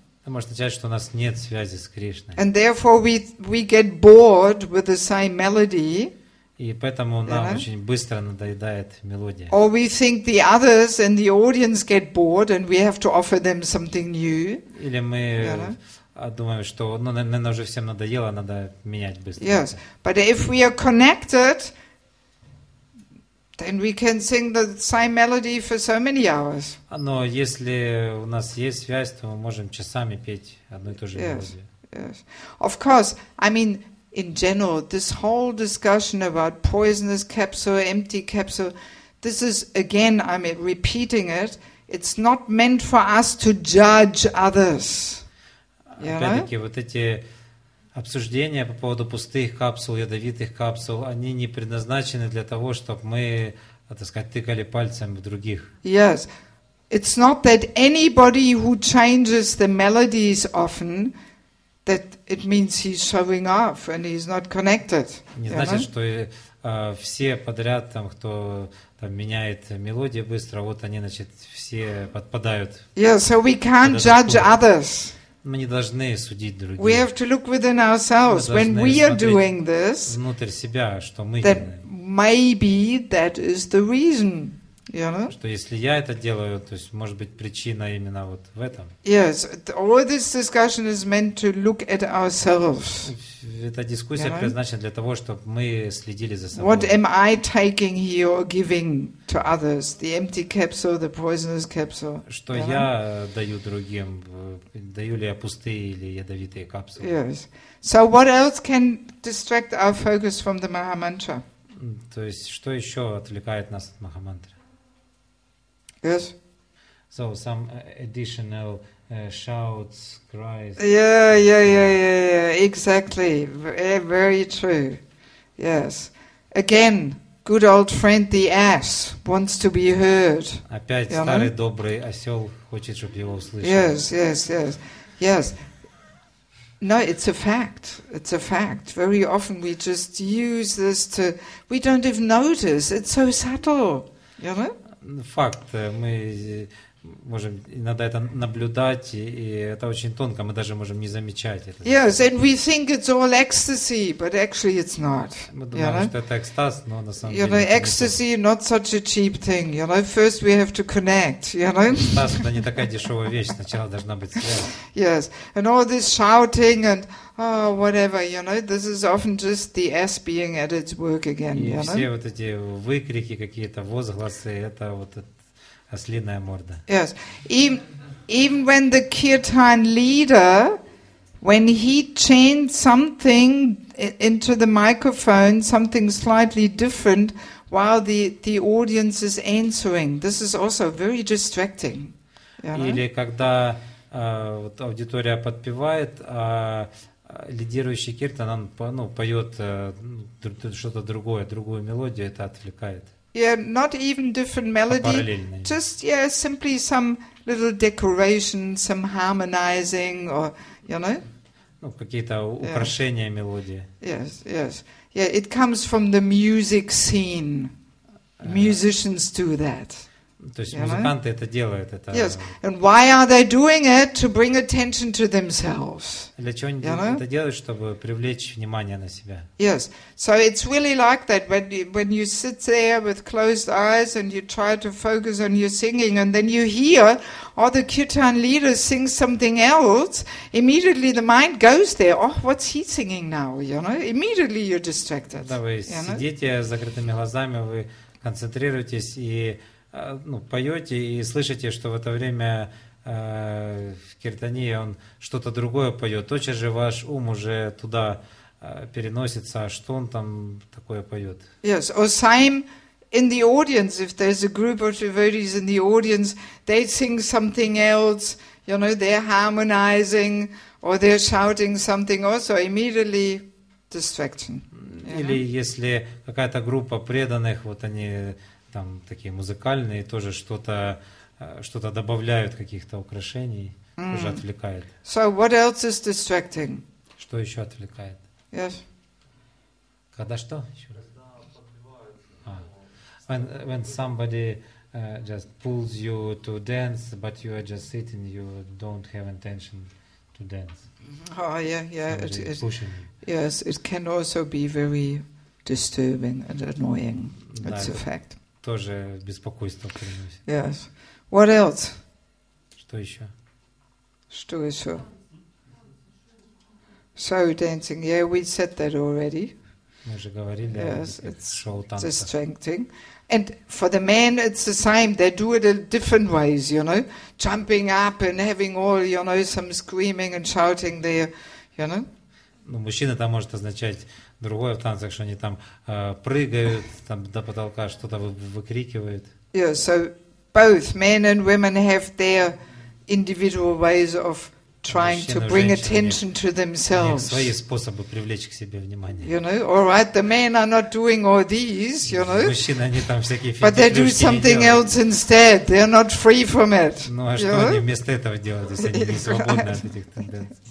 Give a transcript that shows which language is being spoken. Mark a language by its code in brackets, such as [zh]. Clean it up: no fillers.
[ru] Это может означать, что у нас нет связи с Кришной. [en] And therefore we get bored with the same melody. [ru] И поэтому нам очень быстро надоедает мелодия. [en] Or we think the others and the audience get bored and we have to offer them something new. [ru] Или мы думаем, что нам уже всем надоело, надо менять быстро. [en] Yes, but if we are connected, then we can sing the same melody for so many hours. [ru] Но если у нас есть связь, то мы можем часами петь одну и ту же мелодию. [en] Yes. Of course, I mean, in general, this whole discussion about poisonous capsule, empty capsule, this is, again, I'm repeating it, it's not meant for us to judge others. [ru] Опять-таки, вот эти обсуждения по поводу пустых капсул, ядовитых капсул, они не предназначены для того, чтобы мы, так сказать, тыкали пальцем в других. [en] Yes. It's not that anybody who changes the melodies often, that it means he's showing off and he's not connected. [ru] Не значит, что все подряд, там, кто там меняет мелодию быстро, вот они, значит, все подпадают. [en] Yeah, so we can't judge others. [ru] Мы не должны судить других. [en] We have to look within ourselves. When we are doing this, [ru] внутрь себя, что мы [en] that [ru] делаем. [en] Maybe that is the reason, you know? [ru] Что если я это делаю, то есть может быть причина именно вот в этом. [en] Yes, all this discussion is meant to look at ourselves. [ru] Эта дискуссия предназначена для того, чтобы мы следили за собой. [en] What am I taking here or giving to others? The empty capsule, the poisonous capsule. [ru] Что я даю другим? Даю ли я пустые или ядовитые капсулы? [en] Yes. So what else can distract our focus from the Mahamantra? [ru] То есть что еще отвлекает нас от Махамантры? [en] Yes. So some additional shouts, cries. Yeah. Exactly. Very true. Yes. Again, Good old friend, the ass, wants to be heard. [ru] Опять [en] you [ru] старый [en] know? [ru] Добрый осел хочет, чтобы его услышали. [en] Yes, yes, yes, yes. No, it's a fact. It's a fact. Very often we just use this to. We don't even notice. It's so subtle. You know? [ru] Факт. Мы можем иногда это наблюдать, и это очень тонко. Мы даже можем не замечать это. [en] Yes, and we think it's all ecstasy, but actually it's not. [ru] Мы думаем, что это экстаз, но на самом деле. [en] You know, ecstasy not such a cheap thing. You know, first we have to connect. You know. [ru] Экстаз — это не такая дешевая вещь. Сначала должна быть связь. [en] Yes, and all this shouting and oh, whatever, you know, this is often just the ass being at its work again, [ru] и [en] you know? [ru] Все вот эти выкрики, какие-то возгласы, это вот ослиная морда. [en] Yes, even when the kirtan leader, when he chants something into the microphone, something slightly different, while the audience is answering, this is also very distracting, you know? [ru] Или когда вот аудитория подпевает, а лидирующий киртан, он ну, поет что-то другое, другую мелодию, это отвлекает. [en] Yeah, not even different melody, just yeah, simply some little decoration, some harmonizing, or you know. [ru] Ну какие-то украшения [en] yeah. [ru] мелодии. [en] Yes, yes, yeah. It comes from the music scene. Musicians do that. [ru] То есть музыканты это делают, это. [en] Yes, and why are they doing it? To bring attention to themselves. [ru] Для чего они это делают, чтобы привлечь внимание на себя? [en] Yes, so it's really like that when you sit there with closed eyes and you try to focus on your singing, and then you hear all the kirtan leaders sing something else. Immediately the mind goes there. Oh, what's he singing now? You know, immediately you're distracted. [ru] Да, вы сидите с закрытыми глазами, вы концентрируетесь и ну, поете и слышите, что в это время в киртане он что-то другое поет. Точно же ваш ум уже туда переносится, а что он там такое поет? [en] Yes, or same in the audience, if there's a group of devotees in the audience, they sing something else, you know, they're harmonizing, or they're shouting something also, immediately distraction. [ru] Или если какая-то группа преданных, вот они там такие музыкальные, тоже что-то добавляют, каких-то украшений, уже отвлекает. [en] So what else is distracting? [ru] Что еще отвлекает? [en] Yes. [ru] Когда что? Когда [en] When somebody just pulls you to dance, but you are just sitting, you don't have intention to dance. Oh, yeah. It's pushing you. Yes, it can also be very disturbing and annoying. It's a fact. [ru] Тоже беспокойство приносит. [en] Yes. What else? [ru] Что еще? Что еще? [en] Show dancing. Yeah, we said that already. [ru] Мы же говорили о шоу танцах. [en] Yes, it's distracting. And for the men, it's the same. They do it in different ways, you know. Jumping up and having all, you know, some screaming and shouting there, you know. [ru] Ну, мужчина там может означать другое в танцах, что они там прыгают там до потолка, что-то выкрикивают. [en] Yeah, so both men and women have their individual ways of trying to bring attention to themselves. [ru] Свои способы привлечь к себе внимание. [en] You know, all right, the men are not doing all these, you know. [ru] Мужчины они там всякие фигни. [en] But they do something else instead. They are not free from it. [ru] Ну а что они вместо этого делают, если они не свободны от этих танцев?